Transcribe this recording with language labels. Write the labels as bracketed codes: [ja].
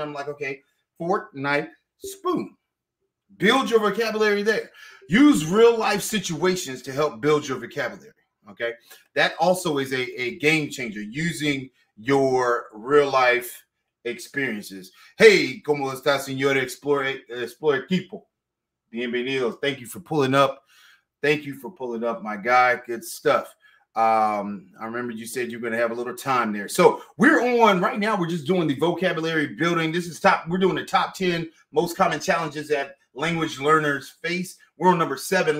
[en] I'm like, okay, fork, knife, spoon. Build your vocabulary there. Use real life situations to help build your vocabulary, okay? That also is a game changer, using your real life experiences. [es] Hey, ¿cómo está, señor Explore Equipo? Bienvenidos. [en] Thank you for pulling up. Thank you for pulling up, my guy. Good stuff. I remember you said you're going to have a little time there. So we're on right now. We're just doing the vocabulary building. This is top. We're doing the top 10 most common challenges that language learners face. We're on number 7.